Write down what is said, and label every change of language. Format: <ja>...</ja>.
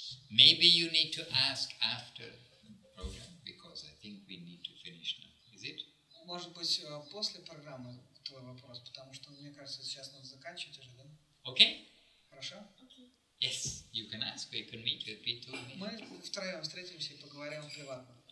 <en>Maybe you need to ask after the program, because I think we need to finish now. Is it?</en> <ru>Может быть, после программы? Твой вопрос, потому что мне кажется, сейчас надо заканчивать уже, да? Окей. Хорошо?</ru> <en>Okay. Yes, you can ask, we can meet with Pito.</en> <ru>Мы втроем встретимся и поговорим приватно.</ru>